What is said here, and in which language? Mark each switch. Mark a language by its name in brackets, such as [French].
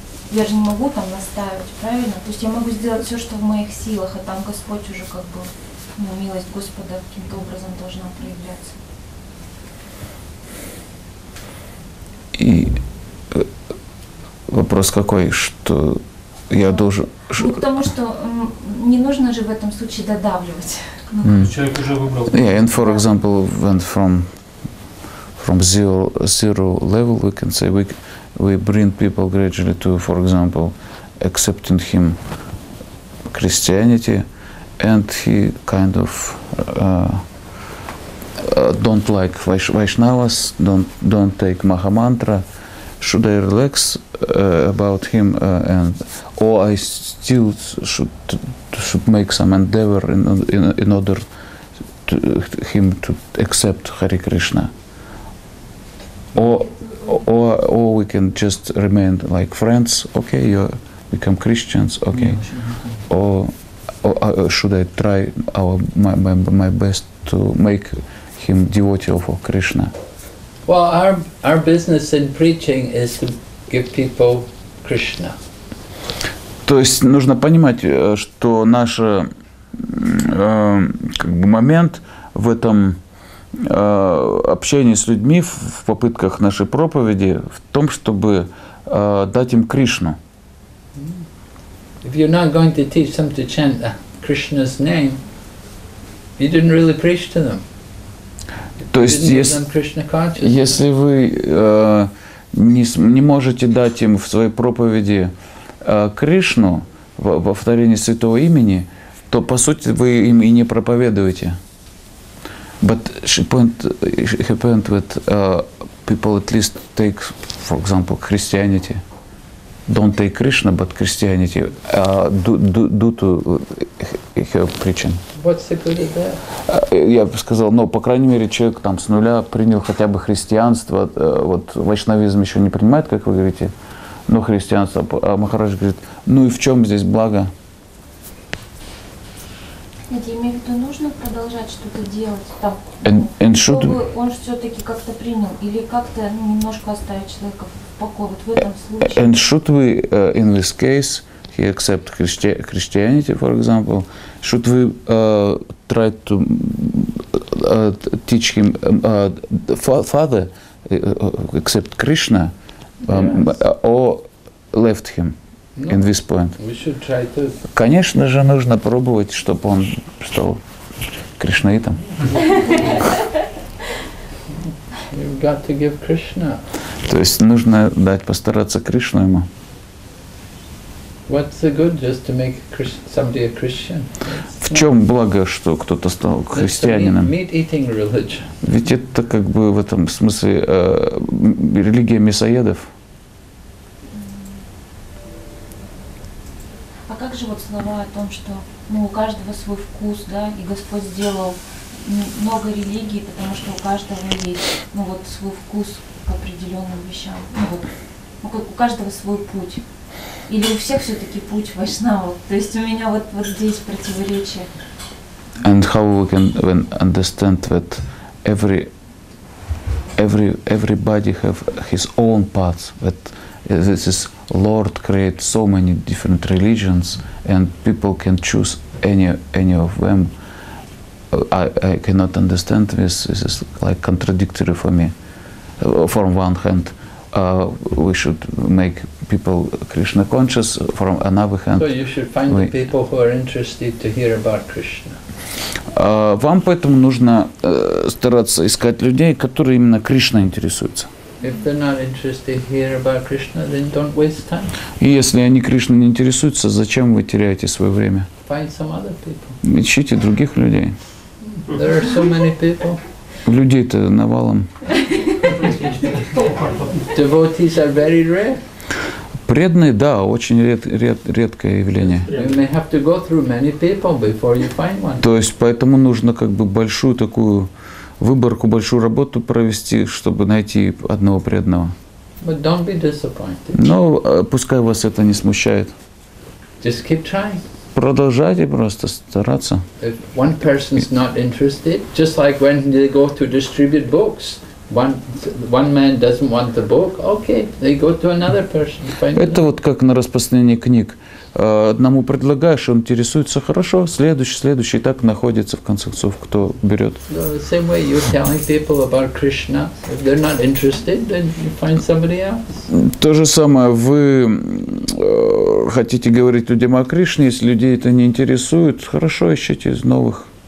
[Russian] Я же не могу наставить, правильно? То есть я могу сделать все, что в моих силах, а там Господь уже милость Господа каким-то образом должна проявляться. И Вопрос какой, что я должен... Ну, потому что не нужно же в этом случае додавливать. Mm. Человек уже выбрал. [English] Yeah, and for example, went from zero level, we can say we bring people gradually to, for example, accepting him Christianity, and he kind of don't like Vaishnavas, don't take Maha Mantra. Should I relax about him, and or I still should make some endeavor in order to him to accept Hare Krishna? Or we can just remain like friends, okay, you become Christians, okay. Or should I try my best to make him devotee of Krishna? Well, our business in preaching is to give people Krishna. [Russian] То есть нужно понимать, что наш момент в этом общении с людьми, в попытках нашей проповеди, в том, чтобы дать им Кришну. [English] If you're not going to teach them to chant Krishna's name, you didn't really preach to them. [Russian] То есть, если вы не можете дать им в своей проповеди Кришну, повторение святого имени, то, по сути, вы им и не проповедуете. [English] But she point with people at least take, for example, Christianity. Don't take Krishna, but Christianity due to her preaching. What's the good of that? [Russian] Я бы сказал, но по крайней мере человек там с нуля принял хотя бы христианство, вот вайшнавизм еще не принимает, как вы говорите, но христианство. А Махарадж говорит, ну и в чем здесь благо? Нет, я имею в виду, нужно продолжать что-то делать так, чтобы он все-таки как-то принял, или как-то немножко оставить человека в покое, вот в этом случае. [English] And should we, in this case, he accept Christianity, for example, should we try to teach him, father, accept Krishna, yes. Or left him? No. In this point. We should try to... [Russian] Конечно же, нужно пробовать, чтобы он стал кришнаитом. [English] You've got to give Krishna. [Russian] То есть нужно дать постараться Кришну ему. [English] What's the good just to make somebody a Christian? [Russian] В чем благо, что кто-то стал христианином? [English] Meat-eating religion. [Russian] Ведь это как бы в этом смысле религия мясоедов. Как же вот слова о том, что ну, у каждого свой вкус, да, и Господь сделал много религий, потому что у каждого есть ну, вот, свой вкус к определенным вещам. Ну, вот, у каждого свой путь. Или у всех все-таки путь вайшнава. То есть у меня вот здесь противоречие. [English] And how we can even understand that everybody have his own path, that this is Lord created so many different religions, and people can choose any of them. I cannot understand this. This is like contradictory for me. From one hand, we should make people Krishna conscious. From another hand, so you should find the people who are interested to hear about Krishna. [Russian] Вам поэтому нужно стараться искать людей, которые именно Кришна интересуются. [English] If they're not interested here about Krishna, then don't waste time. [Russian] Если они Кришну не интересуются, зачем вы теряете свое время? [English] Find some other people. [Russian] Ищите других людей. [English] There are so many people. [Russian] Людей-то навалом. [English] Devotees are very rare. [Russian] Преданные, да, очень редкое явление. [English] You may have to go through many people before you find one. [Russian] То есть поэтому нужно как бы большую такую выборку, большую работу провести, чтобы найти одного преданного. [English] But don't be disappointed. [Russian] Но пускай вас это не смущает. [English] Just keep trying. [Russian] Продолжайте просто стараться. [English] If one person's not interested, just like when they go to distribute books, One man doesn't want the book. Okay, they go to another person. [Russian] Это вот как на распространение книг. Одному предлагаешь, он интересуется, хорошо, следующий, и так находится, в конце концов, кто берет. То же самое, вы хотите говорить людям о Кришне, если людей это не интересует, хорошо, ищите из новых.